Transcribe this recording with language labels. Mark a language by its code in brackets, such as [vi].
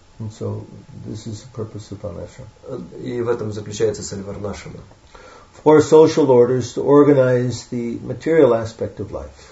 [en] And so this is the purpose of Parnasha. [ru] И в этом заключается цель Варнашрама. [en] Four social orders to organize the material aspect of life.